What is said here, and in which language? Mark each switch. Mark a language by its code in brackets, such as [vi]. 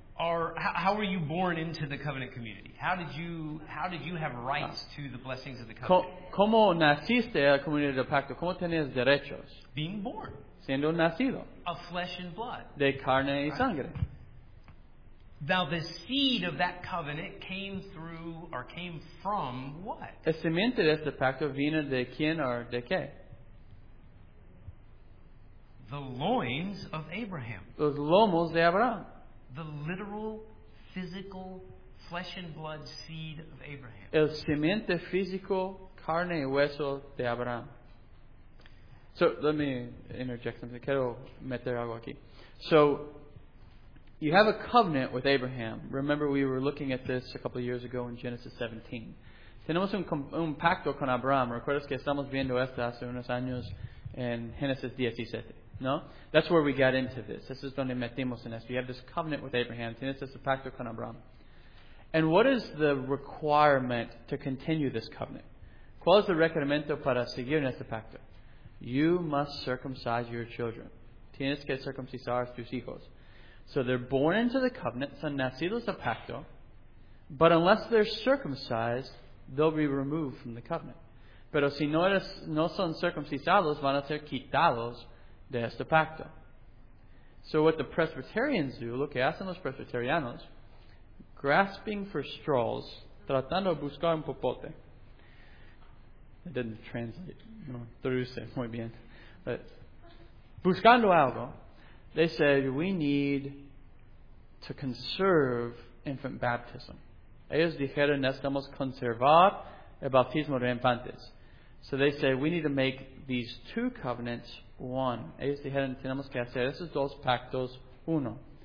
[en] Or how were you born into the covenant community? How did you have rights to the blessings of the covenant? [es] ¿Cómo naciste a la comunidad del pacto? ¿Cómo tenías derechos? [en] Being born. [es] Siendo nacido. [en] Of flesh and blood. [es] De carne y sangre. [en] Now the seed of that covenant came through or came from what? [es] El semente de este pacto vino de quién o de qué? [en] The loins of Abraham. [es] Los lomos de Abraham. [en] The literal, physical, flesh and blood seed of Abraham. [es] El semente físico, carne y hueso de Abraham. [en] So, let me interject something. [es] Quiero meter algo aquí. [en] So, you have a covenant with Abraham. Remember, we were looking at this a couple of years ago in Genesis 17. [es] Tenemos un pacto con Abraham. ¿Recuerdas que estamos viendo esto hace unos años en Genesis 17? [en] No? That's where we got into this. This is [es] donde metimos en esto. [en] You have this covenant with Abraham. [es] Tienes este pacto con Abraham. [en] And what is the requirement to continue this covenant? [es] ¿Cuál es el requerimiento para seguir en este pacto? [en] You must circumcise your children. [es] Tienes que circuncisar a tus hijos. [en] So they're born into the covenant, [es] son nacidos a pacto, [en] but unless they're circumcised, they'll be removed from the covenant. [es] Pero si no son circuncisados, van a ser quitados de este pacto. [en] So what the Presbyterians do, [es] lo que hacen los Presbyterianos, [en] grasping for straws, [es] tratando de buscar un popote. [en] It didn't translate. [es] No, traduce muy bien. [en] But [es] buscando algo, [en] they said, we need to conserve infant baptism. [es] Ellos dijeron, necesitamos conservar el bautismo de infantes. [en] So they said, we need to make these two covenants one. [es] Ellos dijeron, tenemos que hacer esos dos pactos uno.